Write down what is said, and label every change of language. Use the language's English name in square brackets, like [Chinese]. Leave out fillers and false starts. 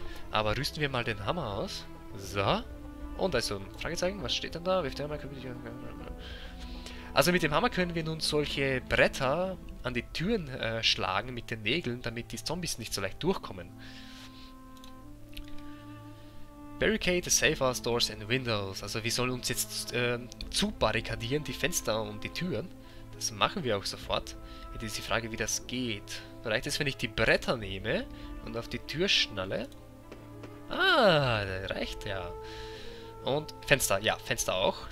[German] Aber rüsten wir mal den Hammer aus. So. Und also ein Fragezeichen, was steht denn da? Wirft der Hammer, können wir die... Also mit dem Hammer können wir nun solche Bretter an die Türen schlagen mit den Nägeln, damit die Zombies nicht so leicht durchkommen. [English] Barricade the safe house doors and windows. [German] Also wir sollen uns jetzt zubarrikadieren, die Fenster und die Türen. Das machen wir auch sofort. Jetzt ist die Frage, wie das geht. Vielleicht ist, wenn ich die Bretter nehme und auf die Tür schnalle. Ah, reicht ja. Und Fenster, ja, Fenster auch.